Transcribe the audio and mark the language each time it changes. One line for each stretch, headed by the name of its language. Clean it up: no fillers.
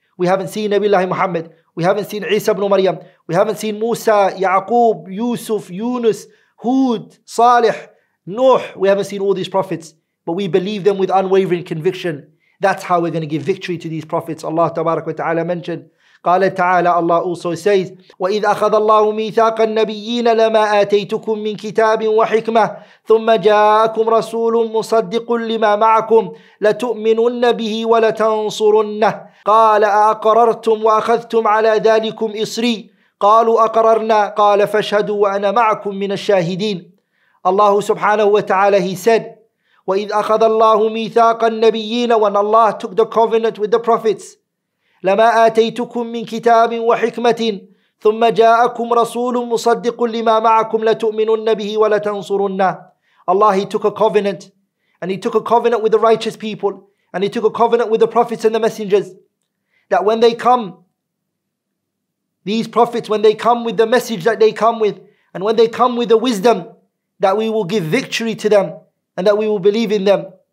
English: We haven't seen Nabi Allah Muhammad. We haven't seen Isa ibn Maryam. We haven't seen Musa, Yaqub, Yusuf, Yunus, Hud, Salih, Nuh. We haven't seen all these prophets. But we believe them with unwavering conviction. That's how we're going to give victory to these prophets. Allah Tabarak wa Ta'ala mentioned.
Arabic: قال تعالى الله
English: also says
Arabic: وإذ أخذ الله ميثاق النبيين لما آتيتكم من كتاب وحكمة ثم جاءكم رسول مصدق لما معكم لتؤمنن به ولتنصرنه قال أأقررتم وأخذتم على ذلكم إصري قالوا أقررنا قال فاشهدوا وأنا معكم من الشاهدين الله سبحانه وتعالى
English: he said
Arabic: وإذ أخذ الله ميثاق النبيين
English: when Allah took the covenant with the prophets
Arabic: لَمَا آتَيْتُكُمْ مِنْ كِتَابٍ وَحِكْمَةٍ ثُمَّ جَاءَكُمْ رَسُولٌ مُصَدِّقٌ لِمَا مَعَكُمْ لَتُؤْمِنُنَّ بِهِ وَلَتَنْصُرُنَّهِ
English: Allah, he took a covenant. And he took a covenant with the righteous people. And he took a covenant with the prophets and the messengers. That when they come, these prophets, when they come with the message that they come with, and when they come with the wisdom, that we will give victory to them, and that we will believe in them.